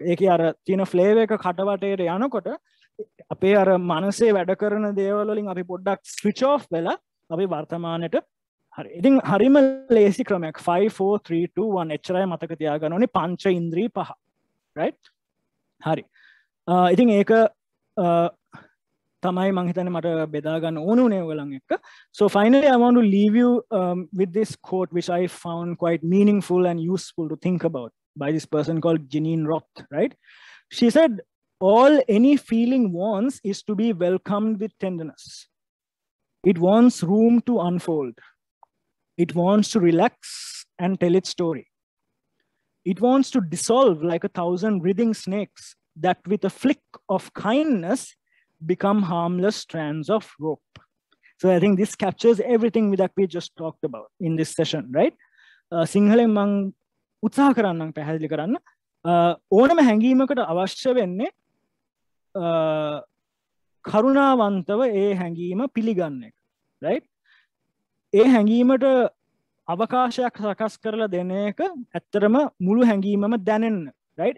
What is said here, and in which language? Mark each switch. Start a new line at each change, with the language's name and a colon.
Sinhala: ඒකේ අර තියෙන ෆ්ලේවර් එක කටවටේට යනකොට අපේ අර මනසේ වැඩ කරන දේවල් වලින් අපි පොඩ්ඩක් ස්විච් ඔෆ් වෙලා අපි වර්තමානෙට හරි. ඉතින් හරිම ලේසි ක්‍රමයක් 5 4 3 2 1 එච්චරයි මතක තියාගන්න ඕනේ පංච ඉන්ද්‍රී පහ. රයිට්? හරි. ඉතින් ඒක තමයි මං හිතන්නේ මට බෙදා ගන්න ඕනුනේ ඔයගලන් එක්ක.
English: So finally I want to leave you with this quote which I found quite meaningful and useful to think about by this person called Jeanine Roth, right? She said all any feeling wants is to be welcomed with tenderness. It wants room to unfold. It wants to relax and tell its story. It wants to dissolve like a thousand writhing snakes that with a flick of kindness become harmless strands of rope. So I think this captures everything that we just talked about in this session, right?
Sinhala: සිංහලෙන් මං උත්සාහ කරන්නම් පැහැදිලි කරන්න. ඕනම හැඟීමකට අවශ්‍ය වෙන්නේ කරුණාවන්තව ඒ හැඟීම පිළිගන්න එක, right? ඒ හැඟීමට අවකාශයක් සකස් කරලා දෙන එක ඇත්තරම මුළු හැඟීමම දැනෙන්න, right?